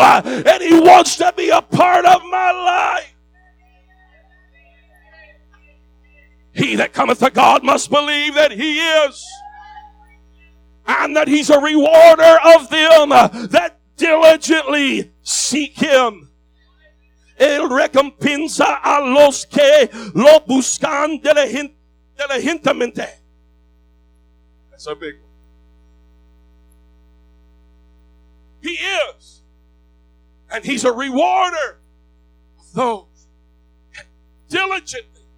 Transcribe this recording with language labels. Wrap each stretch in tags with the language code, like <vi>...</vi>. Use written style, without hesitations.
<en>And He wants to be a part of my life. He that cometh to God must believe that He is, and that He's a rewarder of them that diligently seek Him.</en> <es>Él recompensa a los que lo buscan diligentemente.</es> <en>That's a big one. He is, and He's a rewarder of those diligently.</en>